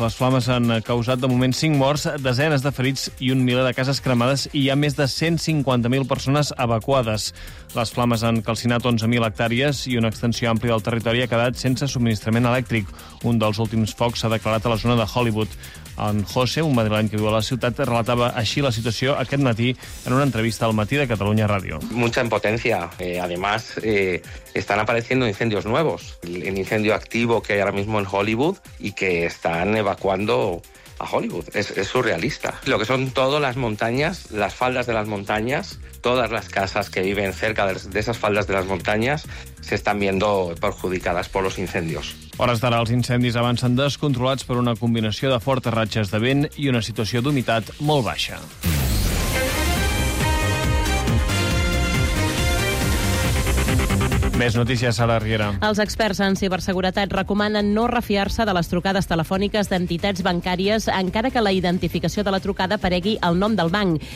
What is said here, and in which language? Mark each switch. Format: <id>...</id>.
<ca>Les flames han causat de moment 5 morts, desenes de ferits i un miler de cases cremades, i hi ha més de 150.000 persones evacuades. Les flames han calcinat 11.000 hectàrees i una extensió àmplia del territori ha quedat sense subministrament elèctric. Un dels últims focs s'ha declarat a la zona de Hollywood. En José, un madrileny que viu a la ciutat, relatava així la situació aquest matí en una entrevista al Matí de Catalunya Ràdio.</ca> <es>Mucha impotencia. Además, están apareciendo incendios nuevos. El incendio activo que hay ahora mismo en Hollywood y que están evacuando a Hollywood. Es surrealista. Lo que son todas las montañas, las faldas de las montañas, todas las casas que viven cerca de esas faldas de las montañas se están viendo perjudicadas por los incendios.</es> <ca>Hores d'ara, els incendis avancen descontrolats per una combinació de fortes ratxes de vent i una situació d'humitat molt baixa. Més notícies, Sara Riera. Els experts en ciberseguretat recomanen no refiar-se de les trucades telefòniques d'entitats bancàries encara que la identificació de la trucada aparegui el nom del banc.</ca>